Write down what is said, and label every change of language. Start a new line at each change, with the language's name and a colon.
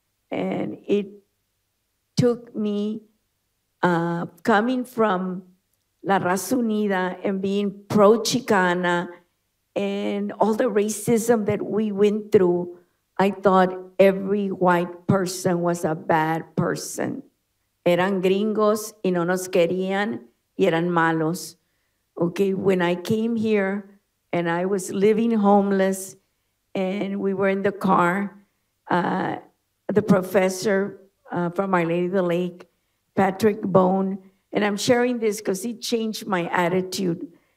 English: And it took me coming from La Raza Unida and being pro-Chicana and all the racism that we went through, I thought every white person was a bad person.
Spanish: Eran gringos y no nos querían y eran malos.
English: Okay, when I came here and I was living homeless and we were in the car, the professor from Our Lady of the Lake, Patrick Bone, and I'm sharing this because he changed my attitude.